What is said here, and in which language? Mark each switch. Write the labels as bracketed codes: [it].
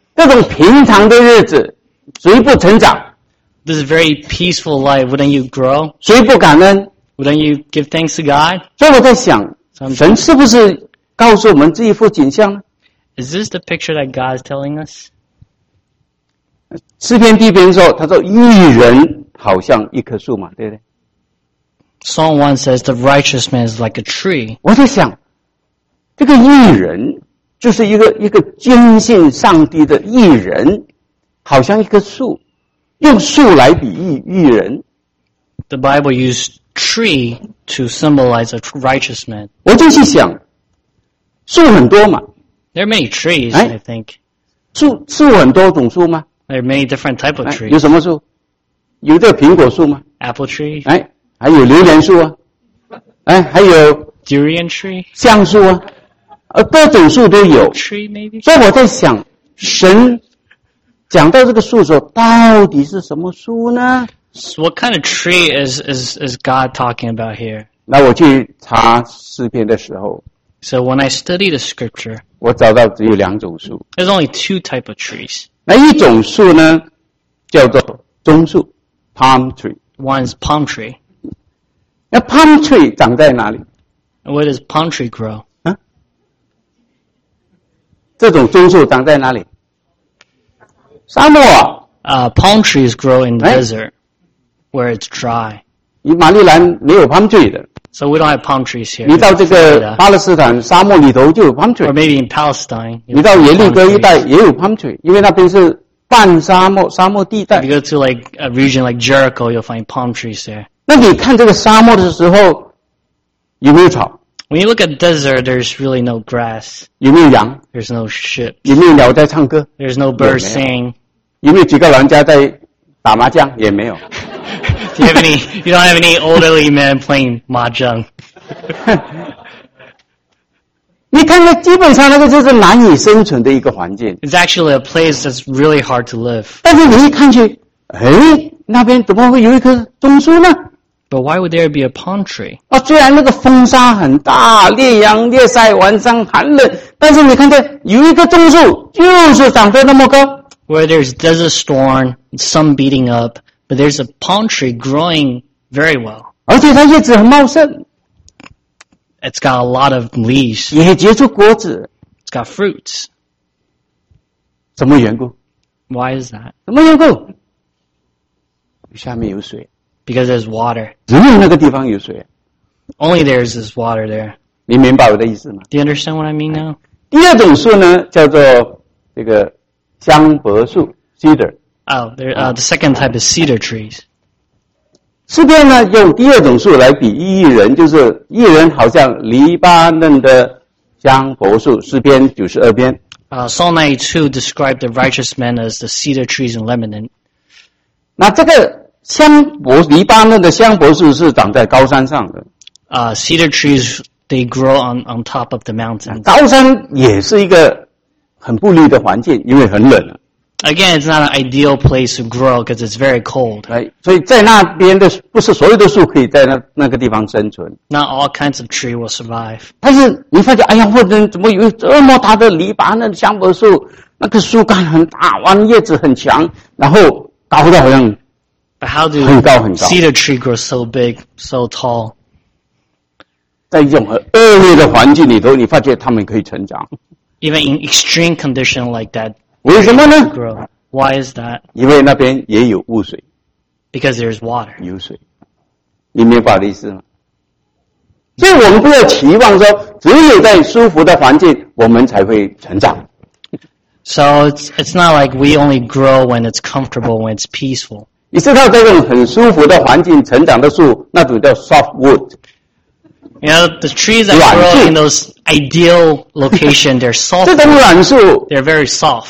[zh] 这种平常的日子，谁不成长？ [en] This is a very peaceful life. Wouldn't you grow? [zh] 谁不感恩？ [en] Wouldn't you give thanks to God? [zh] 所以我在想，神是不是告诉我们这一幅景象呢？ [en] Is this the picture that God is telling us? [zh] 诗篇第一篇说，他说一人好像一棵树嘛，对不对？ [en] Psalm 1 says the righteous man is like a tree. [zh] 我在想，这个一人就是一个坚信上帝的义人，好像一棵树，用树来比喻义人。 [en] The Bible used tree to symbolize a righteous man. [zh] 我就去想，树很多嘛。 [en] There are many trees, I think. [zh] 树很多种树吗？ [en] There are many different type of trees. [zh] 有什么树？有这个苹果树吗？ [en] Apple tree. [zh] 还有榴莲树啊。还有 [en] durian tree. [zh] 橡树啊。各种树都有，所以我在想，神讲到这个树的时候，到底是什么树呢？ [en] What kind of tree is God talking about here? [zh] 那我去查诗篇的时候， [en] So when I study the scripture, [zh] 我找到只有两种树。 [en] There's only two type of trees. [zh] 那一种树呢，叫做棕树 ，palm tree. [en] One is palm tree. [zh] 那 palm tree 长在哪里？ [en] Where does palm tree grow? [zh] 这种棕树长在哪里？沙漠。 [en] Palm trees grow in the desert, where it's dry. [zh] 马里兰没有 palm tree 的。 [en] So we don't have palm trees here. [zh] 你到这个巴勒斯坦沙漠里头就有 palm tree. [en] Or maybe in Palestine. [zh] 你到耶利哥一带也有 palm tree, 因为那边是半沙漠沙漠地带。 [en] If you go to like a region like Jericho, you'll find palm trees there. [zh] 那你看这个沙漠的时候有没有草？ [en] When you look at desert, there's really no grass. [zh] 有没有羊？ [en] There's no sheep. [zh] 有没有鸟在唱歌？ [en] There's no birds singing. [zh] 有没有几个老人家在打麻将？也没有。 [en] Do you have any, you don't have any elderly men playing mahjong. [zh] 你看看基本上那个就是难以生存的一个环境。 [en] It's actually a place that's really hard to live. [zh] 但是你一看去，哎，那边怎么会有一棵棕树呢？ [en] But why would there be a palm tree? [zh] 啊，虽然那个风沙很大，烈阳烈晒，晚上寒冷，但是你看见有一个棕树，就是长得那么高。 [en] Where there's desert storm, sun beating up, but there's a palm tree growing very well. [zh] 而且它叶子很茂盛。 [en] It's got a lot of leaves. [zh] 也结出果子。 [en] It's got fruits. [zh] 什么缘故？ [en] Why is that? [zh] 什么缘故？下面有水。 [en] Because there's water. [zh] 只有那个地方有水。 [en] Only there's this water there. [zh] 你明白我的意思吗？ [en] Do you understand what I mean now? [zh] 第二种树呢，叫做这个香柏树 cedar. [en] The second type is cedar trees. [zh] 诗篇呢，用第二种树来比喻异人，就是异人好像黎巴嫩的香柏树，诗篇九十二篇。 [en] Psalm 92 described the righteous man as the cedar trees in Lebanon. [zh] 那这个香柏黎巴嫩的香柏树是长在高山上的。 [en] Cedar trees they grow on top of the mountain. [zh] 高山也是一个很不利的环境，因为很冷。 [en] Again, it's not an ideal place to grow because it's very cold. [zh] 所以在那边的不是所有的树可以在那个地方生存。 [en] Not all kinds of tree will survive. [zh] 但是你发现，哎呀，我怎么有这么大的黎巴嫩香柏树？那个树干很大，弯叶子很强，然后高的好像。 [en] But how do cedar tree grow so big, so tall? [zh] 在一种很恶劣的环境里头，你发觉它们可以成长。 [en] Even in extreme condition like that, [zh] 为什么呢？ [en] Grow. Why is that? [zh] 因为那边也有雾水。 [en] Because there's water. [zh] 有水，你明白我的意思吗？所以我们不要期望说，只有在舒服的环境，我们才会成长。 [en] So it's not like we only grow when it's comfortable, when it's peaceful. [zh] 你知道这种很舒服的环境成长的树，那种叫 soft wood。 [en] You know, the trees that grow in those ideal location, they're soft. [zh] 这种软树 [en] ，they're very soft.